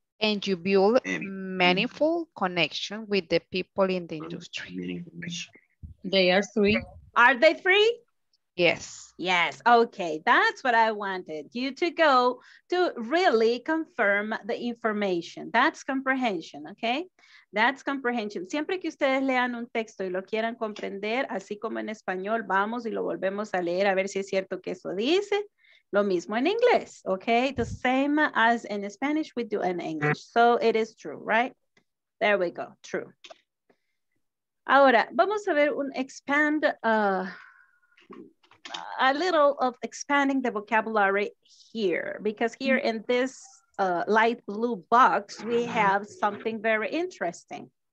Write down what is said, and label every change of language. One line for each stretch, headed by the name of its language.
English: And you build meaningful connection with the people in the industry. They are three. Are they three? Yes. Yes. Okay. That's what I wanted you to go to really confirm the information. That's comprehension. Okay. That's comprehension.
Spanish: Siempre que ustedes lean un texto y lo quieran comprender, así como en español, vamos y lo volvemos a leer a ver si es cierto que eso dice. Lo mismo en inglés. Okay.
English: The same as in Spanish we do in English. So it is true, right? There we go. True.
Spanish: Ahora, vamos a ver un
English: expand, a little of expanding the vocabulary here, because here in this light blue box, we have something very interesting.